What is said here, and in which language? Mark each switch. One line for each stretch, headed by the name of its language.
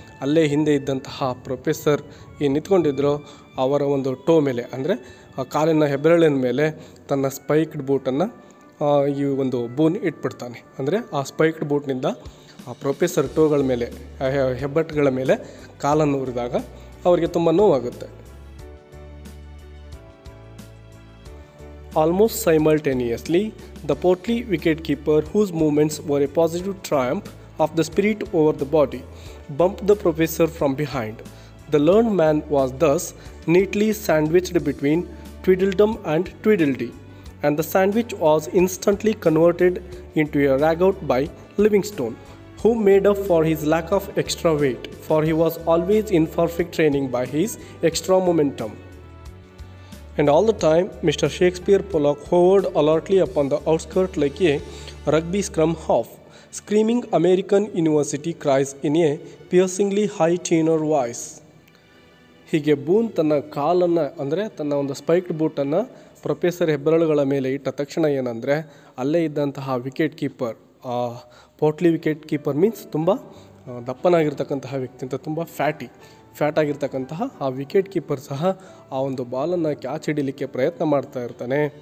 Kannada: ಅಲ್ಲೇ ಹಿಂದೆ ಇದ್ದಂತಹ ಪ್ರೊಫೆಸರ್ ಏನು ನಿಂತ್ಕೊಂಡಿದ್ರು ಅವರ ಒಂದು ಟೋ ಮೇಲೆ, ಅಂದರೆ ಆ ಕಾಲಿನ ಹೆಬ್ಬೆರಳಿನ ಮೇಲೆ ತನ್ನ ಸ್ಪೈಕ್ಡ್ ಬೂಟನ್ನು ಈ ಒಂದು ಬೂನ್ ಇಟ್ಬಿಡ್ತಾನೆ. ಅಂದರೆ ಆ ಸ್ಪೈಕ್ಡ್ ಬೂಟ್ನಿಂದ ಆ ಪ್ರೊಫೆಸರ್ ಟೋಗಳ ಮೇಲೆ, ಹೆಬ್ಬಟ್ಟುಗಳ ಮೇಲೆ ಕಾಲನ್ನು ಉರಿದಾಗ ಅವರಿಗೆ ತುಂಬ ನೋವಾಗುತ್ತೆ.
English: Almost simultaneously, the portly wicketkeeper, whose movements were a positive triumph of the spirit over the body, bumped the professor from behind. The learned man was thus neatly sandwiched between Tweedledum and Tweedledee, and the sandwich was instantly converted into a ragout by Livingstone, who made up for his lack of extra weight, for he was always in perfect training by his extra momentum. And all the time, Mr. Shakespeare Pollock hovered alertly upon the outskirts like a rugby scrum half, screaming American University cries in a piercingly high tenor voice.
Kannada: ಹೀಗೆ boon ತನ್ನ ಕಾಲನ್ನು, ಅಂದರೆ ತನ್ನ ಒಂದು ಸ್ಪೈಕ್ಡ್ ಬೂಟನ್ನು professor ಹೆಬ್ಬೆರಳುಗಳ ಮೇಲೆ ಇಟ್ಟ ತಕ್ಷಣ ಏನಂದರೆ ಅಲ್ಲೇ ಇದ್ದಂತಹ wicket keeper, ಪೋರ್ಟ್ಲಿ wicket keeper means ತುಂಬ ದಪ್ಪನಾಗಿರ್ತಕ್ಕಂತಹ ವ್ಯಕ್ತಿ ಅಂತ, ತುಂಬ ಫ್ಯಾಟ್ ಆಗಿರ್ತಕ್ಕಂತಹ ಆ ವಿಕೆಟ್ ಕೀಪರ್ ಸಹ ಆ ಒಂದು ಬಾಲನ್ನು ಕ್ಯಾಚ್ ಹಿಡೀಲಿಕ್ಕೆ ಪ್ರಯತ್ನ ಮಾಡ್ತಾ ಇರ್ತಾನೆ.